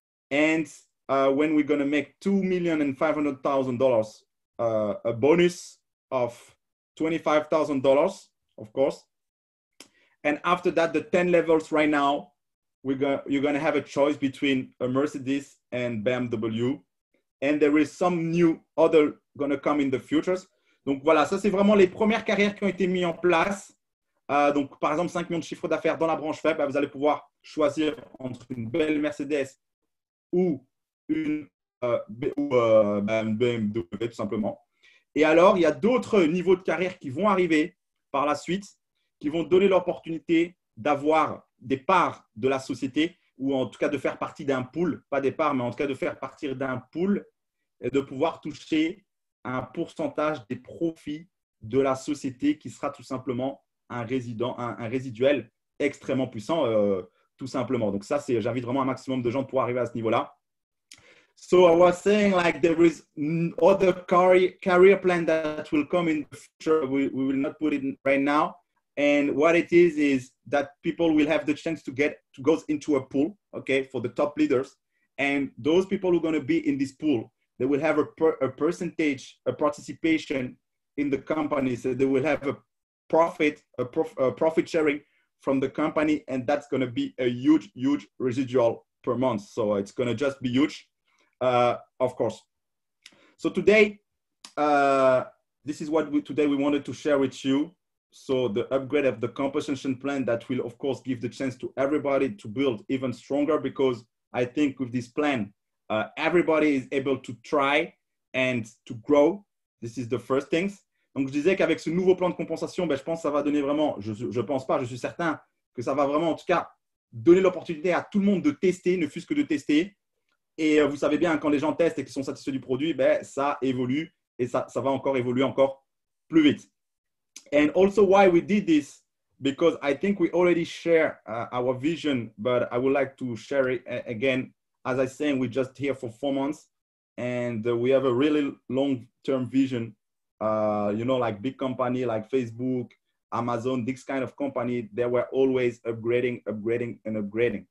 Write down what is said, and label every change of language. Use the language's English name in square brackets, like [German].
[English] And when we're going to make $2,500,000, a bonus of $25,000, of course. And after that, the 10 levels right now, you're going to have a choice between a Mercedes and BMW. And there is some new other going to come in the futures. [French] Donc voilà, ça c'est vraiment les premières carrières qui ont été mises en place. Donc par exemple, 5 millions de chiffre d'affaires dans la branche faible, vous allez pouvoir choisir entre une belle Mercedes ou BMW tout simplement. Et alors, il y a d'autres niveaux de carrière qui vont arriver par la suite, qui vont donner l'opportunité d'avoir des parts de la société, ou en tout cas de faire partie d'un pool, pas des parts, mais en tout cas de faire partir d'un pool et de pouvoir toucher un pourcentage des profits de la société qui sera tout simplement un résiduel extrêmement puissant, tout simplement. Donc ça, c'est, j'invite vraiment un maximum de gens pour arriver à ce niveau-là. [English] So I was saying like there is other career plan that will come in the future. We will not put it right now. And what it is that people will have the chance to go into a pool, okay, for the top leaders. And those people who are going to be in this pool, they will have a participation in the company. So they will have a profit sharing from the company. And that's going to be a huge, huge residual per month. So it's going to just be huge, of course. So today, this is what we wanted to share with you. So the upgrade of the compensation plan that will, of course, give the chance to everybody to build even stronger, because I think with this plan, everybody is able to try and to grow. This is the first thing. [French] Donc, je disais qu'avec ce nouveau plan de compensation, ben, je pense que ça va donner vraiment, je suis certain que ça va vraiment, en tout cas, donner l'opportunité à tout le monde de tester, ne fût-ce que de tester. Et vous savez bien, quand les gens testent et qu'ils sont satisfaits du produit, ben, ça évolue et ça va encore évoluer encore plus vite. [English] And also why we did this, because I think we already share our vision, but I would like to share it again. As I said, we're just here for 4 months and we have a really long-term vision. You know, like big company like Facebook, Amazon, this kind of company, they were always upgrading, upgrading and upgrading.